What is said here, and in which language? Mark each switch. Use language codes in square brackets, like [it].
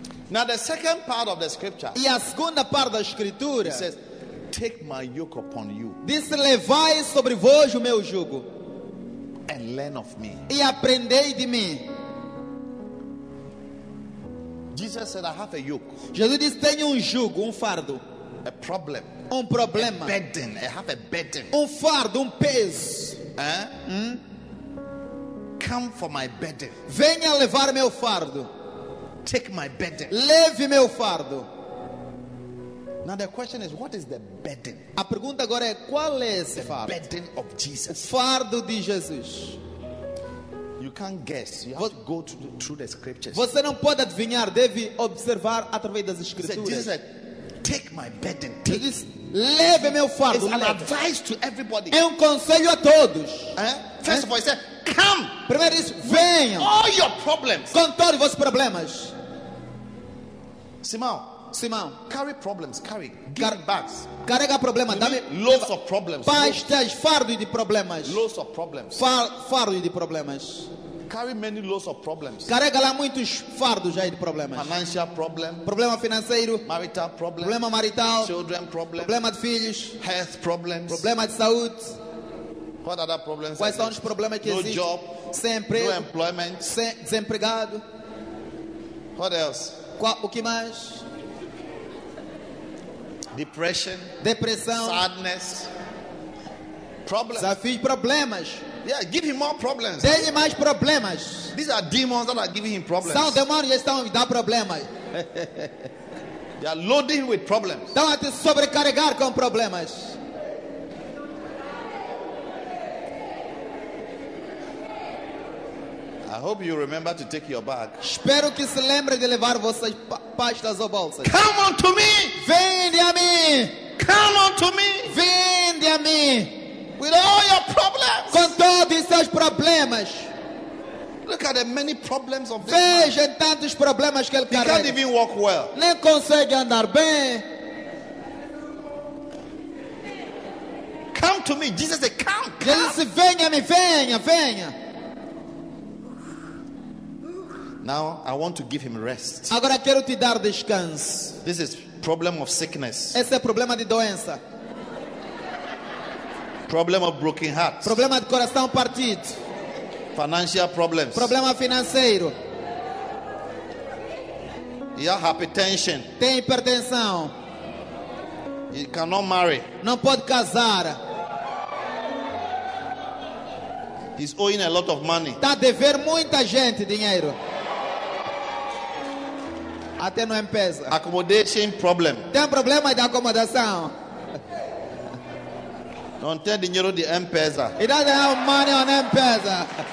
[en] Now the second part of the scripture. [pt] E a segunda parte da escritura. [en] Says, take my yoke upon you. [pt] Diz, levai sobre vós o meu jugo. [en] And learn of me. [pt] E aprendei de mim. [en] Jesus said, I have a yoke. [pt] Jesus disse, tenho jugo, fardo. [en] A problem. [pt] Problema. [en] A burden. I have a burden. [pt] Fardo, peso. [en] Come for my burden. [pt] Venha levar meu fardo. [en] Take my burden. [pt] Leve meu fardo. [en] Now the question is, what is the burden? [pt] A pergunta agora é qual é esse [en] the [pt] fardo? [en] Burden of Jesus. [pt] O fardo de Jesus. [en] You can't guess. You have to go through the scriptures. [pt] Você não pode adivinhar, deve observar através das escrituras. [en] Jesus said, take my burden. Take. [pt] Jesus, leve meu fardo. [en] It's an advice to everybody. [pt] É conselho a todos. [en] First of all, he said, come. [pt] Primeiro disse, venham. [en] All your problems. [pt] Com todos os vossos problemas. Simão. Simão. [en] Carry problems. Carry. Give bags. [pt] Carrega problemas. Dá-me. [en] Loads of problems. [pt] Pastas, fardo de problemas. [en] Loads of problems. [pt] Fardo de problemas. [en] Carry many loads of problems. [pt] Carrega lá muitos fardos aí de problemas. [en] Financial problem. [pt] Problema financeiro. [en] Marital problem. [pt] Problema marital. [en] Children problem. [pt] Problema de filhos. [en] Health problems. [pt] Problema de saúde. [en] What other problems? [pt] Quais são os problemas que no existem? [en] No job. [pt] Sem emprego. [en] No employment. [pt] Sem desempregado. [en] What else? [pt] O que mais? [en] Depression. [pt] Depressão. [en] Sadness. Problems. [pt] Desafios, problemas. [en] Yeah, give him more problems. [pt] Dê-lhe mais problemas. [en] These are demons that are giving him problems. [pt] São demônios que estão lhe dando problemas. [en] They are loading with problems. [pt] Estão a te sobrecarregar com problemas. [en] I hope you remember to take your bag. [pt] Espero que se lembre de levar vossas pastas ou bolsas. [en] Come unto me. [pt] Vinde a mim. [en] Come unto me. [pt] Vinde a mim. [en] With all your problems. [pt] Com todos os seus problemas. [en] Look at the many problems of this. [pt] Veja tantos problemas que ele carrega. [en] He can't even walk well. [pt] Nem consegue andar bem. [en] Come to me. Jesus said, come, come. [pt] Jesus disse, venha a mim, venha, venha. [en] Now I want to give him rest. [pt] Agora quero te dar descanso. [en] This is problem of sickness. [pt] Esse é problema de doença. [en] Problem of broken heart. [pt] Problema de coração partido. [en] Financial problems. [pt] Problema financeiro. [en] Yeah, hypertension. [pt] Tem hipertensão. [en] He cannot marry. [pt] Não pode casar. [en] He's owing a lot of money. [pt] Tá dever muita gente dinheiro. Até no empresa. [en] Accommodation problem. [pt] Tem problema de acomodação. Não tem dinheiro de empresa. [en] He doesn't have money on empresa.